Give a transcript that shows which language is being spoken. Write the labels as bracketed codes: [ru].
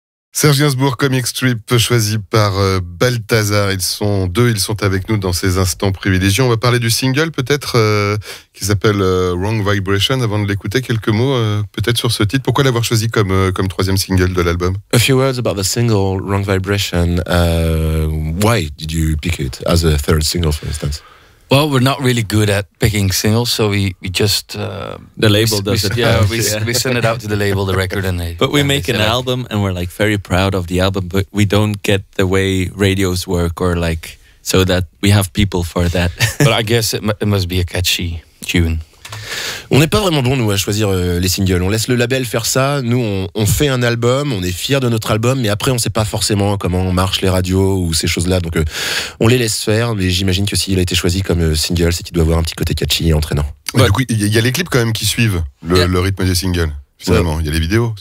[fr] Serge Gainsbourg, Comic Strip, choisi par Balthazar. Ils sont deux, ils sont avec nous dans ces instants privilégiés. On va parler du single, peut-être, qui s'appelle Wrong Vibration. Avant de l'écouter, quelques mots, peut-être, sur ce titre. Pourquoi l'avoir choisi comme troisième single de l'album? [en] A few words about the single Wrong Vibration. Why did you pick it as a third single, for instance? Well, we're not really good at picking singles, so we just... The label does it. Yeah, we send it out to the label, the record, and they... But we make an album, and we're like very proud of the album, but we don't get the way radios work, or like, so that we have people for that. But I guess it must be a catchy tune. [fr] On n'est pas vraiment bon, nous, à choisir les singles. On laisse le label faire ça. Nous, on fait un album, on est fiers de notre album, mais après, on sait pas forcément comment marchent les radios ou ces choses-là. Donc, on les laisse faire, mais j'imagine que s'il a été choisi comme single, c'est qu'il doit avoir un petit côté catchy et entraînant. Ouais. Du coup, il y a les clips quand même qui suivent le rythme des singles, finalement. Il y a les vidéos.